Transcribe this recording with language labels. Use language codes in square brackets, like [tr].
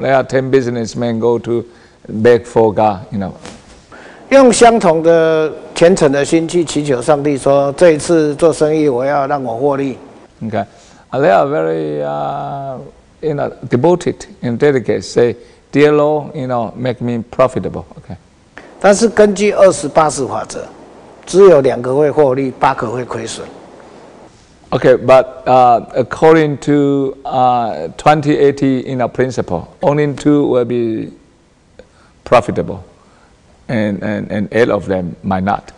[en] There are 10 businessmen go to beg for God, you know. [zh] 用相同的虔诚的心去祈求上帝说，这一次做生意我要让我获利。Okay, [en] they are very, you know, devoted and dedicated. Say, Dear Lord, you know, make me profitable. Okay. [zh] 但是根据二十八十法则。只有两个会获利，八个会亏损。Okay, [en] but according to 20-80 in a principle, only two will be profitable, and eight of them might not.